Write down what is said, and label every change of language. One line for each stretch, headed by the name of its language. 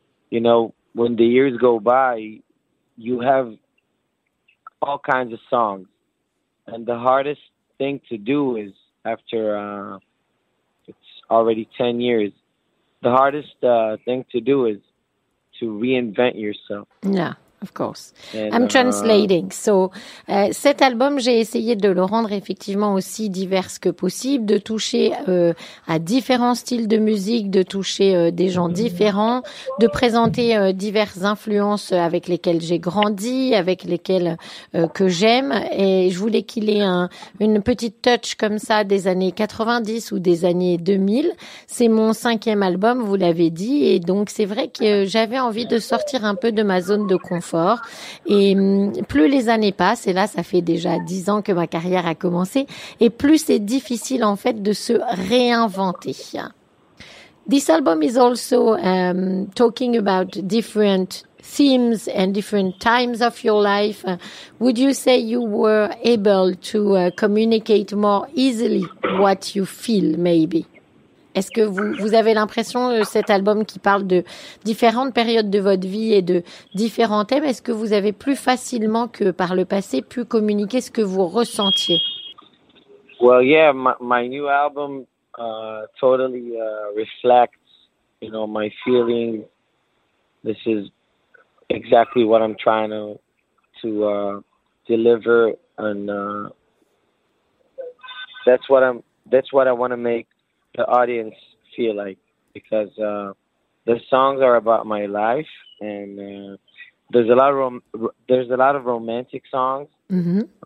English: you know, when the years go by, you have all kinds of songs. And the hardest thing to do is, after it's already 10 years, the hardest thing to do is to reinvent yourself. Yeah. Of course. I'm translating.
French: So, cet album, j'ai essayé de le rendre effectivement aussi divers que possible, de toucher à différents styles de musique, de toucher des gens différents, de présenter diverses influences avec lesquelles j'ai grandi, avec lesquelles que j'aime. Et je voulais qu'il ait une petite touch comme ça des années 90 ou des années 2000. C'est mon 5e album, vous l'avez dit. Et donc, c'est vrai que j'avais envie de sortir un peu de ma zone de confort. Fort. Et plus les années passent, et là ça fait déjà 10 ans que ma carrière a commencé, et plus c'est difficile en fait de se réinventer.
English: This album is also talking about different themes and different times of your life. Would you say you were able to communicate more easily what you feel, maybe?
French: Est-ce que vous avez l'impression, cet album qui parle de différentes périodes de votre vie et de différents thèmes, est-ce que vous avez plus facilement que par le passé pu communiquer ce que vous ressentiez?
English: Well, yeah, my new album totally reflects, you know, my feelings. This is exactly what I'm trying to deliver, and that's what I want to make the audience feel like, because the songs are about my life, and there's a lot of romantic songs mm-hmm.